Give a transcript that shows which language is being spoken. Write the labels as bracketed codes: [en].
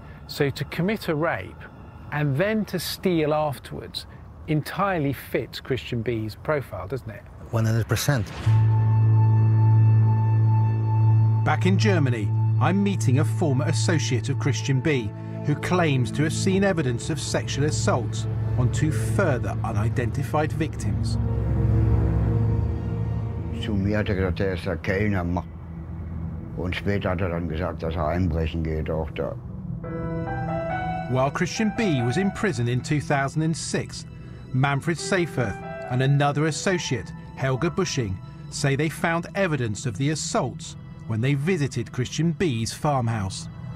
[en] So to commit a rape and then to steal afterwards entirely fits Christian B's profile, doesn't it? 100%. Back in Germany, I'm meeting a former associate of Christian B, who claims to have seen evidence of sexual assaults on two further unidentified victims. [de] Zu mir hat er gesagt, er ist der Kellner. Und später hat er dann gesagt, dass er einbrechen geht auch da. [en] While Christian B. was in prison in 2006, Manfred Seyferth and another associate, Helga Bushing, say they found evidence of the assaults when they visited Christian B.'s farmhouse.